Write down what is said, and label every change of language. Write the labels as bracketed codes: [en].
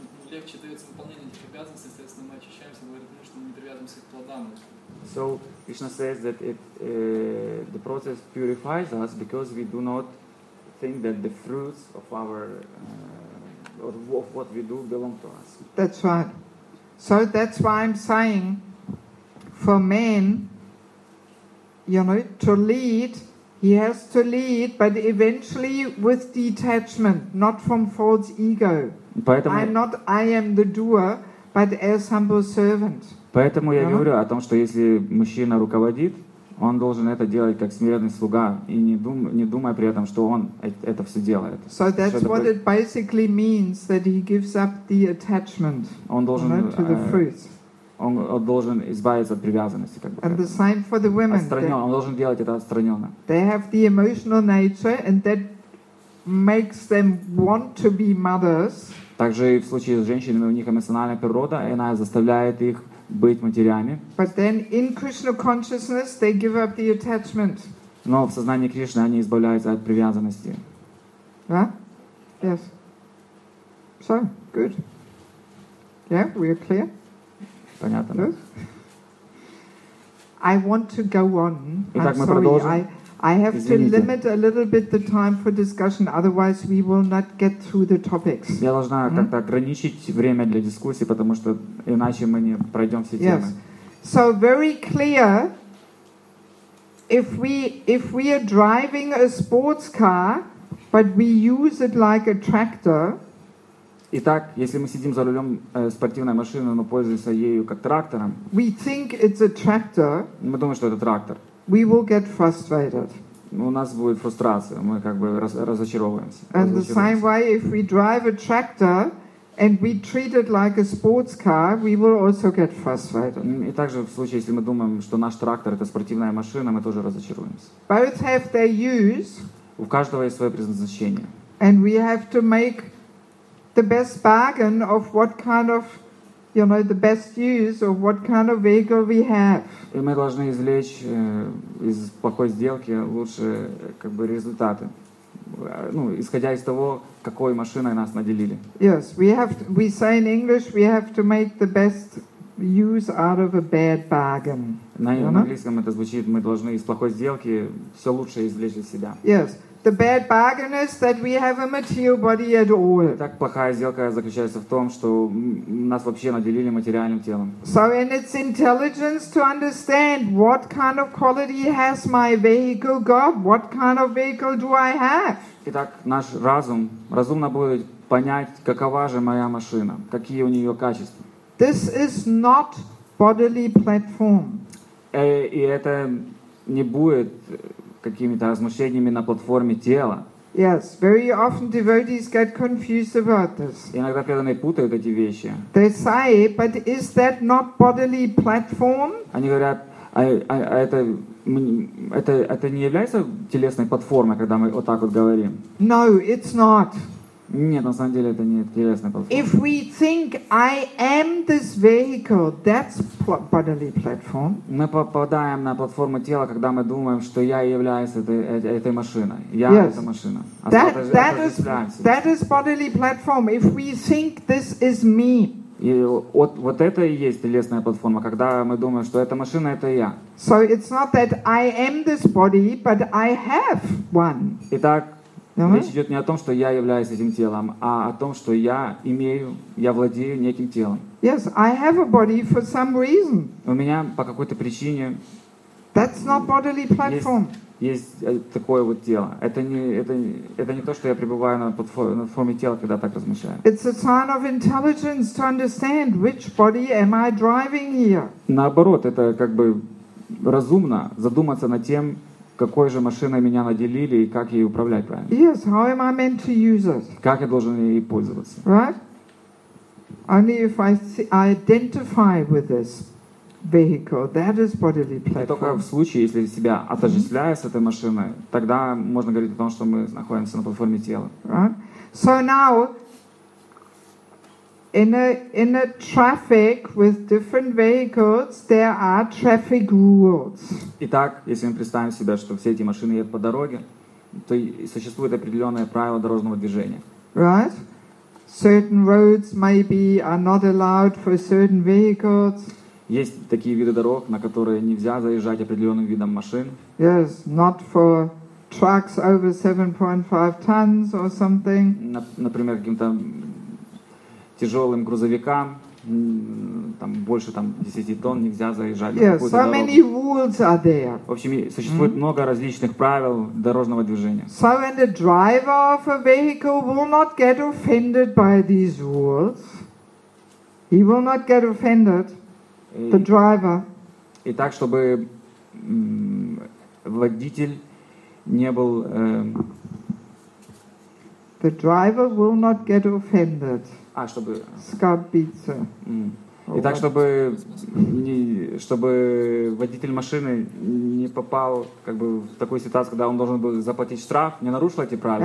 [ru] Легче дается выполнение этих обязанностей, соответственно, мы очищаемся, говорит, что мы не привязываемся к плодам. [en] So Krishna says that the process purifies us because we do not think that the fruits of our of what we do belong to us. That's right. So that's why I'm saying for men, you know, to lead. He has to lead, but eventually with detachment, not from false ego. [ru] Поэтому [en] I am the doer, but as humble servant. [ru] Поэтому я говорю о том, что если мужчина руководит, он должен это делать как смиренный слуга и не думая при этом, что он это все делает. [en] So that's what it basically means that he gives up the attachment. [ru] Он должен [en] to the fruits. [ru] Он должен избавиться от привязанности. [en] And the same for the women. [ru] Он должен делать это отстраненно. [en] They have the emotional nature, and that makes them want to be mothers. [ru] Также и в случае с женщинами у них эмоциональная природа, и она заставляет их быть матерями. [en] But then in Krishna consciousness they give up the attachment. [ru] Но в сознании Кришны они избавляются от привязанности. [en] Да? Yes. So, good. Yeah, we're clear? [ru] Понятно. [en] Good. I want to go on. [ru] Итак, [en] I'm sorry, I have to limit a little bit the time for discussion, otherwise we will not get through the topics. [ru] Я должна как-то ограничить время для дискуссии, потому что иначе мы не пройдем все темы. [en] Yes. So very clear, if we are driving a sports car, but we use it like a tractor. [ru] Итак, если мы сидим за рулем спортивной машины, но пользуемся ею как трактором, [en] we think it's a tractor, [ru] мы думаем, что это трактор, [en] we will get frustrated. [ru] У нас будет фрустрация, мы как бы разочаровываемся. [en] And the same way, if we drive a tractor and we treat it like a sports car, we will also get frustrated. [ru] И также в случае, если мы думаем, что наш трактор это спортивная машина, мы тоже разочаруемся. [en] Both have their use. [ru] У каждого есть свое предназначение. [en] And we have to make the best bargain of what kind of, you know, the best use of what kind of vehicle we have. [ru] И мы должны извлечь из плохой сделки лучше как бы результаты, ну, исходя из того, какой машиной нас наделили. [en] Yes, we say in English, we have to make the best use out of a bad bargain. [ru] На английском это звучит, мы должны из плохой сделки все лучшее извлечь из себя. [en] Yes. The bad bargain is that we have a material body at all. [ru] Так плохая сделка заключается в том, что нас вообще наделили материальным телом. [en] So in its intelligence to understand what kind of quality has my vehicle got, what kind of vehicle do I have? [ru] Итак, наш разум разумно будет понять, какова же моя машина, какие у нее качества. [en] This is not bodily platform. [ru] И это не будет какими-то размышлениями на платформе тела. [en] Yes, very often devotees get confused about this. [ru] Иногда преданные путают эти вещи. [en] They say, but is that not bodily platform? [ru] Они говорят, это не является телесной платформой, когда мы вот так вот говорим. [en] No, it's not. [ru] Нет, на самом деле это не телесная платформа. [en] If we think I am this vehicle, that's bodily platform. [ru] Мы попадаем на платформу тела, когда мы думаем, что я являюсь этой машиной. Я [en] yes. [ru] эта машина. [en] That is bodily platform. If we think this is me. [ru] И вот это и есть телесная платформа, когда мы думаем, что эта машина это я. [en] So it's not that I am this body, but I have one. [ru] Итак. Uh-huh. Речь идет не о том, что я являюсь этим телом, а о том, что я владею неким телом. [en] Yes, I have a body for some reason. [ru] У меня по какой-то причине. [en] That's not bodily platform. [ru] Есть такое вот тело. Это не то, что я пребываю на форме тела, когда так размышляю. [en] It's a sign of intelligence to understand which body am I driving here. [ru] Наоборот, это как бы разумно задуматься над тем, какой же машиной меня наделили и как ей управлять правильно? [en] Yes, how am I meant to use it? [ru] Как я должен ей пользоваться? [en] Right? Only if I identify with this vehicle, that is bodily platform. [ru] И только в случае, если себя отождествляю mm-hmm. с этой машиной, тогда можно говорить о том, что мы находимся на платформе тела. [en] Right? So now, in a traffic with different vehicles, there are traffic rules. [ru] Итак, если мы представим себе, что все эти машины едут по дороге, то существует определенное правило дорожного движения. [en] Right? Certain roads maybe are not allowed for certain vehicles. [ru] Есть такие виды дорог, на которые нельзя заезжать определенным видом машин. [en] Yes, not for trucks over 7.5 tons or something. [ru] Например, каким-то тяжелым грузовикам, там больше там 10 тонн нельзя заезжать [en] yes, [ru] на какую-то дорогу. [en] So many rules are there. [ru] В общем, существует mm-hmm. много различных правил дорожного движения. [en] So when the driver of a vehicle will not get offended by these rules, he will not get offended, the driver. [ru] И так, чтобы водитель не был... The driver will not get offended. Чтобы... Скорбиться. И так, чтобы водитель машины не попал как бы, в такую ситуацию, когда он должен был заплатить штраф, не нарушил эти правила.